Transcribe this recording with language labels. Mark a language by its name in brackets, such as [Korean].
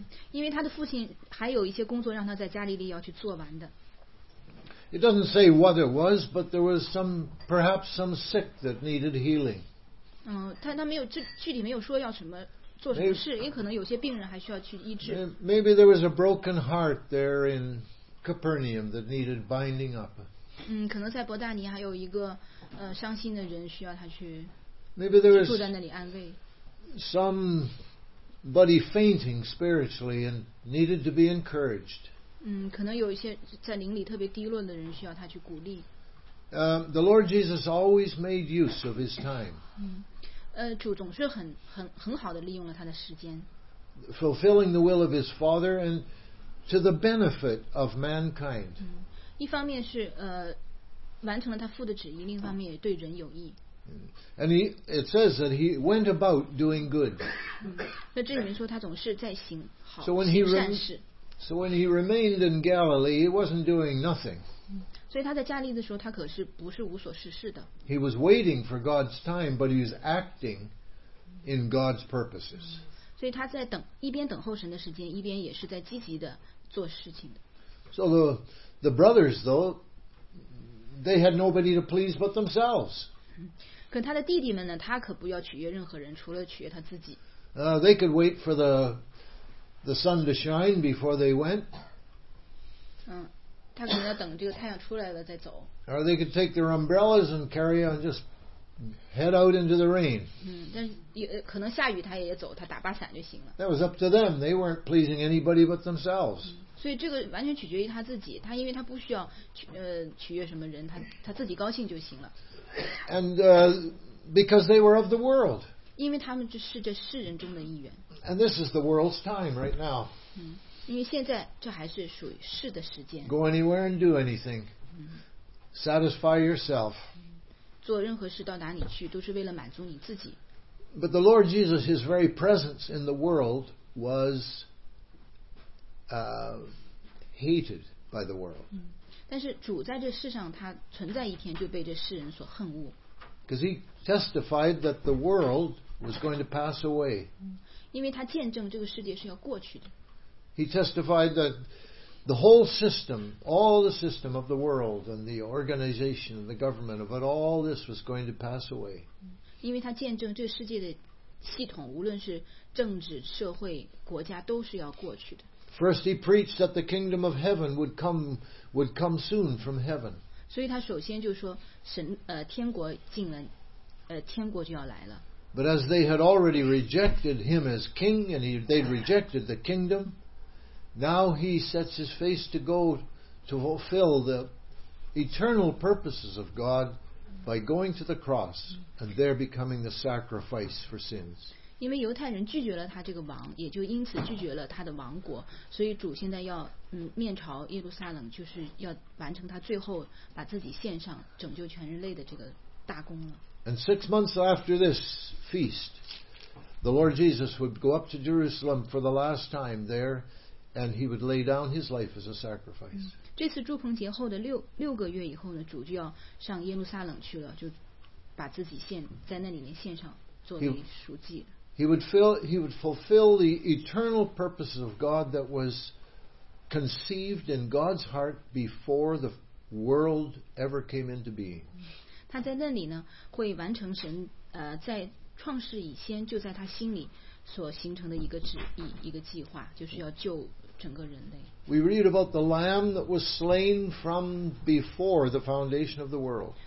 [Chinese] 因为他的父亲还有一些工作让他在加利利要去做完的。 [English] It doesn't say what it was, but there was perhaps some sick that needed healing. [Chinese] 他没有具体没有说要什么。做什么事，也可能有些病人还需要去医治。 [English] Maybe there was a broken heart there in Capernaum that needed binding up. [Chinese] 可能在伯大尼还有一个伤心的人需要他去。 [English] Maybe there was [Chinese] 住在那里安慰。 [English] Somebody fainting spiritually and needed to be encouraged. [Chinese] 可能有一些在灵里特别低落的人需要他去鼓励。 [English] The Lord Jesus always made use of His time. [Chinese] 主总是很好的利用了他的时间 [English] fulfilling the will of his father and to the benefit of mankind. [Chinese] 一方面是完成了他父的旨意，另一方面也对人有益。 [English] And it says that he went about doing good. [Chinese] 那这里面说他总是在行好行善事。 [English] So when he remained in Galilee, he wasn't doing nothing. [Chinese] 所以他在加利的时候，他可是不是无所事事的。 [English] He was waiting for God's time, but he was acting in God's purposes. [Chinese] 所以他在等，一边等候神的时间，一边也是在积极的做事情的。 [English] So the brothers, though, they had nobody to please but themselves. [Chinese] 可他的弟弟们呢？他可不要取悦任何人，除了取悦他自己。 [English] They could wait for the sun to shine before they went. [Chinese] 他可能要等这个太阳出来了再走。 [English] Or they could take their umbrellas and carry on, just head out into the rain. [Chinese] 但可能下雨他也走，他打把伞就行了。 [English] That was up to them. They weren't pleasing anybody but themselves. [Chinese] 所以这个完全取决于他自己。他因为他不需要取悦什么人，他自己高兴就行了。 [English] And because they were of the world. [Chinese] 因为他们就是这世人中的一员。 [English] And this is the world's time right now. [Chinese] 因为现在这还是属于世的时间。 [English] Go anywhere and do anything. Satisfy yourself. [Chinese] 做任何事到哪里去都是为了满足你自己。 [English] But the Lord Jesus, His very presence in the world was hated by the world. [Chinese] 但是主在这世上，他存在一天就被这世人所恨恶。 [English] Because He testified that the world was going to pass away. [Chinese] 因为他见证这个世界是要过去的。 [English] He testified that the whole system, all the system of the world and the organization and the government of it, all this was going to pass away. [Chinese] 因为他见证这个世界的系统，无论是政治、社会、国家，都是要过去的。 [English] First, he preached that the kingdom of heaven would come soon from heaven. [Chinese] 所以他首先就说神天国近了，天国就要来了。 [English] But as they had already rejected him as king, and they'd rejected the kingdom. Now he sets his face to go to fulfill the eternal purposes of God by going to the cross and there becoming the sacrifice for sins. [Chinese] 因为犹太人拒绝了他这个王，也就因此拒绝了他的王国，所以主现在要面朝耶路撒冷，就是要完成他最后把自己献上拯救全人类的这个大功了。 [English] And 6 months after this feast, the Lord Jesus would go up to Jerusalem for the last time there. And he would lay down his life as a sacrifice. [Chinese] 这次祝棚节后的六个月以后呢，主就要上耶路撒冷去了，就把自己献在那里面献上，做那赎祭。 [English] He would fulfill the eternal purpose of God that was conceived in God's heart before the world ever came into being. [Chinese] 他在那里呢，会完成神在创世以前就在他心里。所形成的一个旨意，一个计划，就是要救整个人类。 [English] We read about the Lamb that was slain from before the foundation of the world.